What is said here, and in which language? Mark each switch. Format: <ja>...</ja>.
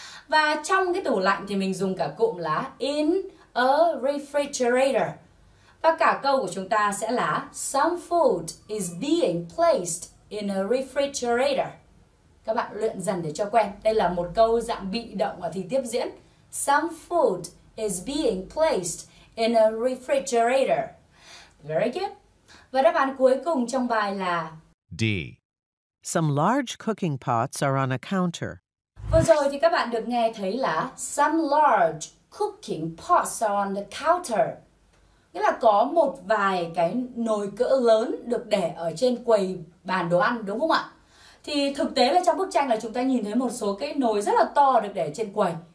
<vi>Và trong cái tủ lạnh thì mình dùng cả cụm là</vi> <en>in a refrigerator.</en> <vi>Và cả câu của chúng ta sẽ là</vi> <en>some food is being placed in a refrigerator.</en> <vi>Các bạn luyện dần để cho quen. Đây là một câu dạng bị động và thì tiếp diễn.</vi> <en>Some food is being placed in a refrigerator. Very good.</en> <vi>Và đáp án cuối cùng trong bài là</vi> <en>D. Some large cooking pots are on a counter.</en> <vi>Vừa rồi thì các bạn được nghe thấy là</vi> <en>some large cooking pots are on the counter.</en> <vi>Nghĩa là có một vài cái nồi cỡ lớn được để ở trên quầy bàn đồ ăn, đúng không ạ? Thì thực tế là trong bức tranh là chúng ta nhìn thấy một số cái nồi rất là to được để trên quầy.</vi>